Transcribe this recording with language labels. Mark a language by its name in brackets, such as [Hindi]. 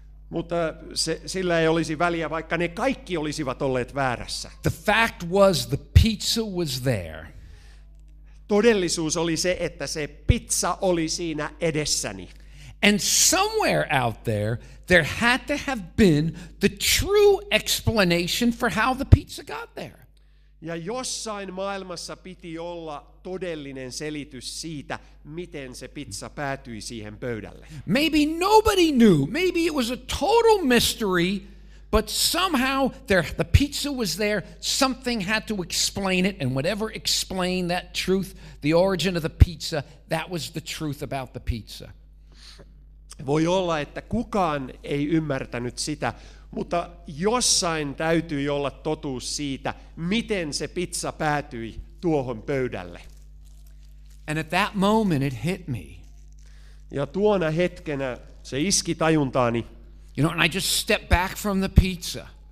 [Finnish] Mutta sillä ei olisi väliä, vaikka ne kaikki olisivat olleet väärässä. [English] The fact was the pizza was there. [Finnish] Todellisuus oli se, että se pizza oli siinä edessäni. [English] And somewhere out there, there had to have been the true explanation for how the pizza got there. [Finnish] Ja jossain maailmassa piti olla todellinen selitys siitä, miten se pizza päätyi siihen pöydälle. [English] Maybe nobody knew, maybe it was a total mystery, but somehow the pizza was there, something had to explain it, and whatever explained that truth, the origin of the pizza, that was the truth about the pizza. [Finnish] Voi olla, että kukaan ei ymmärtänyt sitä, mutta jossain täytyy olla totuus siitä, miten se pizza päätyi tuohon pöydälle. [English] And at that moment it hit me. [Finnish] Ja tuona hetkenä se iski tajuntaani. [English] You know, and I just stepped back from the pizza.